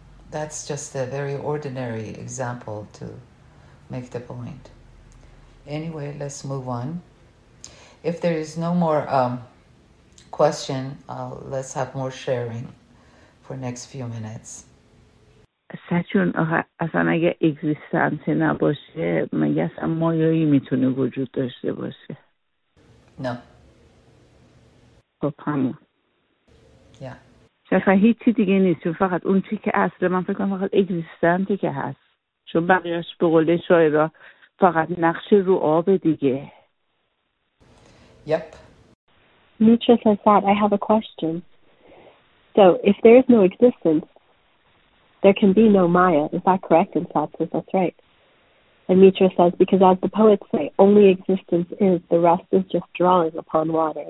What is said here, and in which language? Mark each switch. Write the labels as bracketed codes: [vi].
[en] That's just a very ordinary example to make the point. Anyway, let's move on. If there is no more question, let's have more sharing for next few minutes. [fa] سچون اصلا اگه اگزیستنس نباشه مگه اصلا مایایی میتونه وجود داشته باشه؟ نه. خب همون. [en] یا. [fa] فقط هیچی دیگه نیست. چون فقط اون چی که اصل من فکر کنم فقط اگزیستنسی که هست. چون بقیهش به قول شاعرا فقط نقش رو آب دیگه. [en] Yep. Nietzsche says that I have a question. So if there is no existence, there can be no Maya. Is that correct? And Sat says, that's right. And Mitra says, because as the poets say, only existence is, the rest is just drawing upon water.